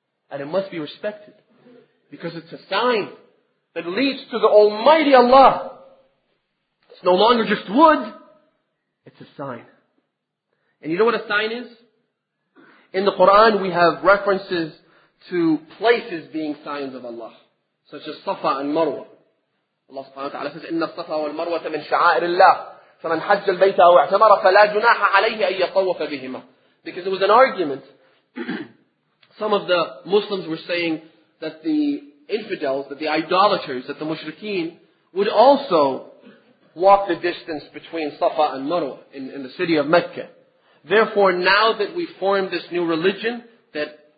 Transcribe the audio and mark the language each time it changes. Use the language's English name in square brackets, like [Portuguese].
[English] And it must be respected. Because it's a sign that leads to the Almighty Allah. It's no longer just wood. It's a sign. And you know what a sign is? In the Quran we have references to places being signs of Allah, such as Safa and Marwa. [Arabic] Allah subhanahu wa ta'ala says, إِنَّ الصَّفَ وَالْمَرْوَةَ مِنْ شَعَائِرِ اللَّهِ فَمَنْ حَجَّ الْبَيْتَ وَاعْتَمَرَ فَلَا جُنَاحَ عَلَيْهِ أَن يَطَوَّفَ بِهِمَا. [English] Because it was an argument. Some of the Muslims were saying that the infidels, that the idolaters, that the mushrikeen, would also walk the distance between Safa and Marwa in the city of Mecca. Therefore, now that we form this new religion, that